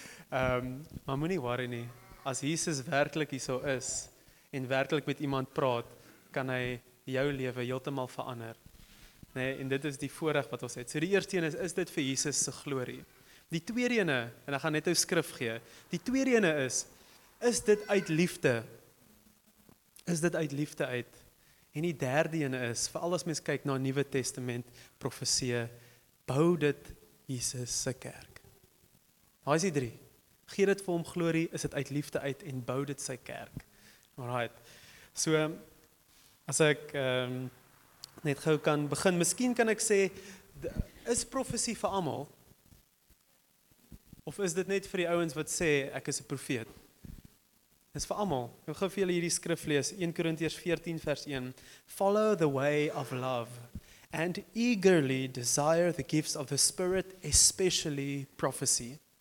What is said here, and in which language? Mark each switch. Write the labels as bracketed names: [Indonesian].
[Afrikaans] Maar moenie worry nie. As Jesus werklik hierso is en werklik met iemand praat, kan hy jou lewe heeltemal verander. Nee, en dit is die voorreg wat ons het. So die eerste een is dit vir Jesus se glorie. Die tweede een, en ek gaan net 'n skrif gee. Die tweede een is dit uit liefde? Is dit uit liefde uit? En die derde een is, vir al as mens kyk na Nuwe Testament, profesie, bou dit Jesus se kerk. Daar is die drie. Gee dit vir hom glorie, is dit uit liefde uit en bou dit sy kerk. Alright. So, as ek net gou kan begin, miskien kan ek sê, is profesie vir almal? Of is dit net vir die ouens wat sê, ek is 'n profeet? Dis vir almal. Ek gou vir julle hierdie skrif lees, 1 Korintiërs 14 vers 1. [English] Follow the way of love and eagerly desire the gifts of the Spirit, especially prophecy.